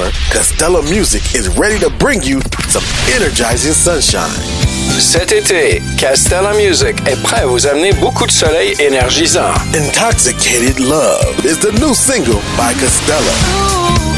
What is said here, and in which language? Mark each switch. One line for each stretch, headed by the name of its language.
English: Costello Music is ready to bring you some energizing sunshine.
French: Cet été, Castella Music est prêt à vous amener beaucoup de soleil énergisant.
English: Intoxicated Love is the new single by Castella.